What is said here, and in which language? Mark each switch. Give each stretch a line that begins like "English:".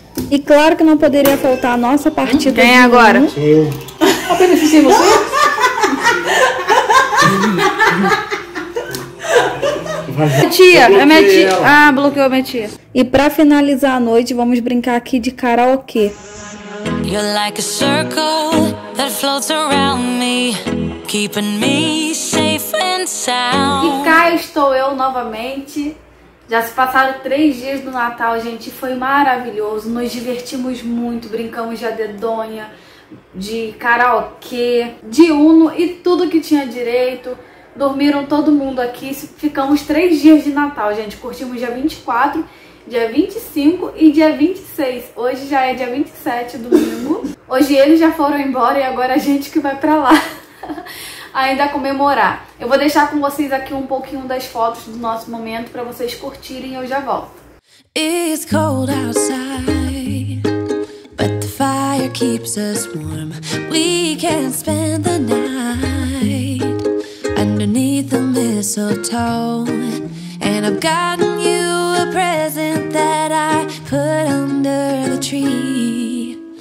Portuguese: E claro que não poderia faltar a nossa partida. Quem é agora? Eu. Apenas se você. Tia, é minha tia. Ah, bloqueou minha tia. E pra finalizar a noite, vamos brincar aqui de karaokê.
English: You're like a circle that floats around me, keeping me safe and sound.
Portuguese: E cá estou eu novamente. Já se passaram 3 dias do Natal, gente, foi maravilhoso. Nos divertimos muito, brincamos de adedonha, de karaokê, de Uno e tudo que tinha direito. Dormiram todo mundo aqui, ficamos 3 dias de Natal, gente. Curtimos dia 24, dia 25 e dia 26. Hoje já é dia 27, domingo. Hoje eles já foram embora e agora a gente que vai pra lá ainda comemorar. Eu vou deixar com vocês aqui um pouquinho das fotos do nosso momento pra vocês curtirem e eu já volto.
English: It's cold outside, but the fire keeps us warm. We can spend the night underneath the mistletoe. And I've gotten you a present that I put under the tree.